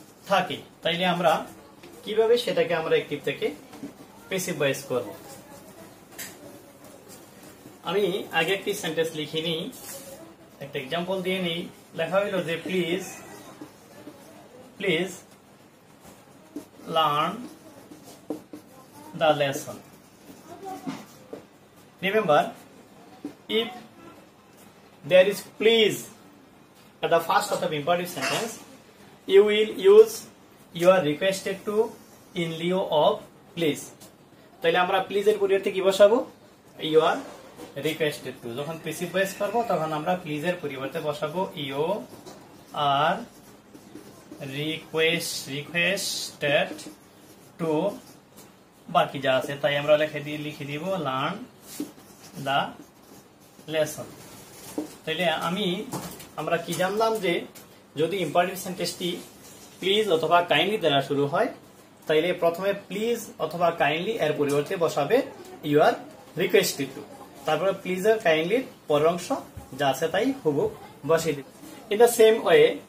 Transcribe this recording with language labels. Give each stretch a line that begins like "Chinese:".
Bangla: থাকে তাইলে আমরা কিভাবে সেটাকে আমরা একটিভ থেকে প্যাসিভ ভয়েস করব আমি আগে একটি সেন্টেন্স লিখিনি একটা এক্সাম্পল দিয়ে নিই লেখা হইল যে please please learn
English: the lesson. Remember, if there is please at the first of the imperative sentence, you will use you are requested to in lieu of please.
Bangla: তাহলে আমরা প্লিজ এর পরিবর্তে কি বসাবো
English: you are requested to
Bangla: যখন প্রিসিভ voice করব তখন আমরা প্লিজ এর পরিবর্তে বসাবো ইউ আর রিকোয়েস্টেড টু বাকি যা আছে তাই আমরা লিখে দিই লিখে দিব লার্ন দা লেসন তাহলে আমি আমরা কি জানলাম যে যদি ইম্পারেটিভ সেন্টেন্সটি প্লিজ অথবা কাইন্ডলি দ্বারা শুরু হয় তাইলে প্রথমে প্লিজ অথবা কাইন্ডলি এর পরিবর্তে বসাবে ইউ আর রিকোয়েস্টেড টু তারপরে প্লিজ আর কাইন্ডলি পরের অংশ যা আছে তাই হবু বসিয়ে দিবে
English: in the same way